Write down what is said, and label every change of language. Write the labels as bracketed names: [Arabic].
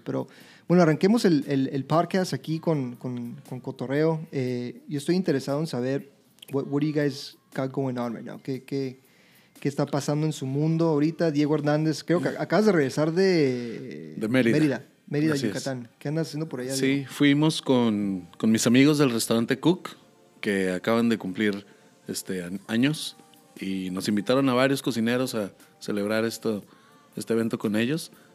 [Spanish] Pero bueno, arranquemos el podcast aquí con cotorreo. Yo estoy interesado en saber [English] what do you guys got going on right now? [Spanish] ¿Qué está pasando en su mundo ahorita? Diego Hernández, creo que acabas de regresar de Mérida. Mérida, Yucatán. ¿Qué andas haciendo por allá? Sí, Diego? Fuimos con mis amigos del restaurante Cook, que acaban de cumplir años, y nos invitaron a varios cocineros a celebrar este evento con ellos.